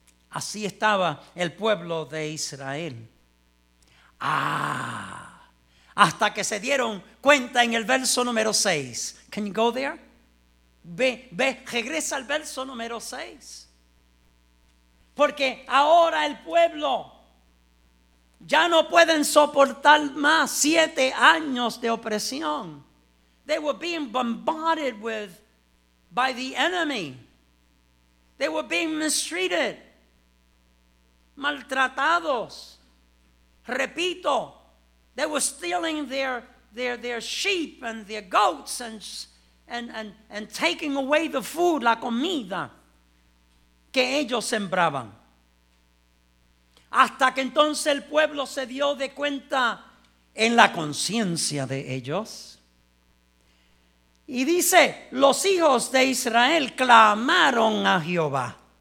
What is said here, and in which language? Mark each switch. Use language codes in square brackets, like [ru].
[es] Así estaba el pueblo de Israel. Hasta que se dieron cuenta en el verso número 6. [en] Can you go there? [es] Ve, regresa al verso número 6. Porque ahora el pueblo ya no pueden soportar más 7 años de opresión. [en] They were being bombarded with by the enemy. They were being mistreated. Maltratados. Repito, they were stealing their sheep and their goats and taking away the food, [es] la comida que ellos sembraban. Hasta que entonces el pueblo se dio de cuenta en la conciencia de ellos. Y dice, los hijos de Israel clamaron a Jehová.